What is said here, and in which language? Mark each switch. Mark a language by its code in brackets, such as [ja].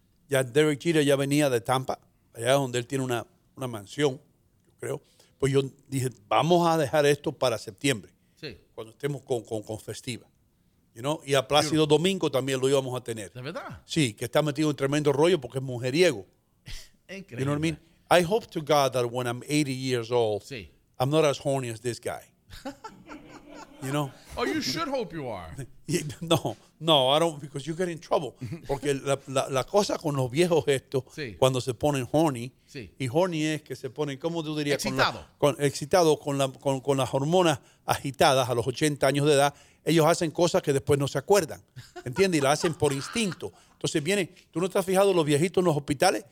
[es] Ya Derek Jeter ya venía de Tampa, allá donde él tiene una mansión, yo creo. Pues yo dije, vamos a dejar esto para septiembre, sí, cuando estemos con Festiva. [en] You know? [es] Y a Plácido Domingo también lo íbamos a tener. ¿De verdad? Sí, que está metido en tremendo rollo porque es mujeriego. Increíble. [en] You know what I mean? I hope to God that when I'm 80 years old, [es] sí, [en] I'm not as horny as this guy. You know? Oh, you should hope you are. No, no, I don't, because you get in trouble. [es] Porque la cosa con los viejos estos, sí, cuando se ponen horny, sí, y horny es que se ponen, ¿cómo tú dirías? Excitado. Excitado con las hormonas agitadas a los 80 años de edad, ellos hacen cosas que después no se acuerdan, ¿entiendes? Y la hacen por instinto. Entonces vienen, ¿tú no te has fijado los viejitos en los hospitales?